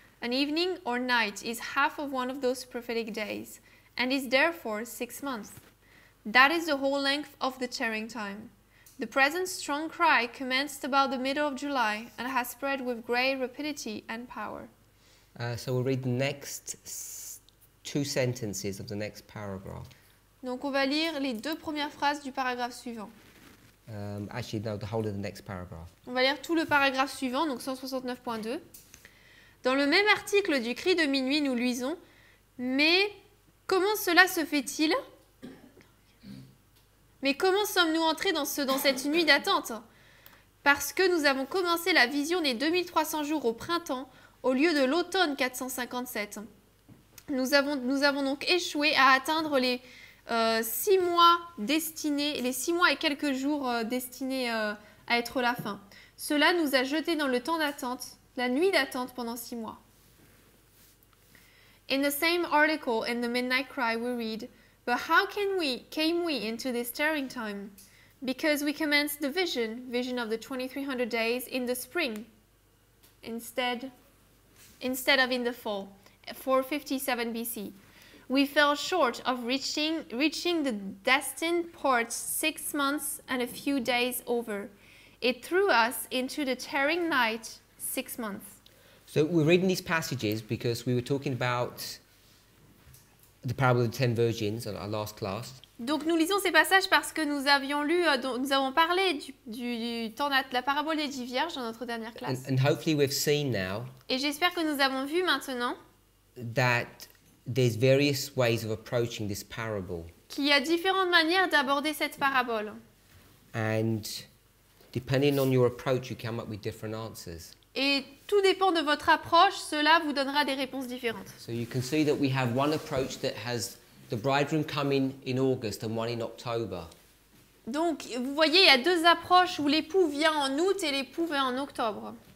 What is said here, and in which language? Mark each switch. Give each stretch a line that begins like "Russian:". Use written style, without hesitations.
English: An evening or night is half of one of those prophetic days, and is therefore 6 months. That is the whole length of the tearing time. The present strong cry commenced about the middle of July and has spread with great rapidity and power. So we'll read the next two sentences of the next paragraph.
French: Donc on va lire les deux premières phrases du paragraphe suivant.
English: The whole of the next paragraph.
French: On va lire tout le paragraphe suivant, donc 169.2. Dans le même article du cri de minuit, nous lisons « Mais comment cela se fait-il ? Mais comment sommes-nous entrés dans cette nuit d'attente ? Parce que nous avons commencé la vision des 2300 jours au printemps au lieu de l'automne 457. Nous avons donc échoué à atteindre les six mois et quelques jours destinés à être la fin. Cela nous a jetés dans le temps d'attente. » La nuit d'attente pendant 6 mois.
English: In the same article in the Midnight Cry we read, but how came we into this tearing time? Because we commenced the vision of the 2300 days in the spring instead of in the fall, 457 BC. We fell short of reaching the destined port 6 months and a few days over. It threw us into the tearing night 6 months. So we're reading these passages because we were talking about the parable of the 10 virgins in our last class.
French: Donc nous lisons ces passages parce que nous avons parlé la parabole des 10 vierges dans notre dernière classe.
English: And hopefully we've seen now.
French: Et j'espère que nous avons vu maintenant
English: that there's various ways of approaching this parable.
French: Qu'il y a différentes manières d'aborder cette parabole.
English: And depending on your approach, you come up with different answers.
French: Et tout dépend de votre approche, cela vous donnera des réponses différentes.
English: So you can see that we have one approach that has the bridegroom coming in August and one in October.
French: Donc, vous voyez, il y a deux approches où l'époux vient en août et l'époux vient en octobre.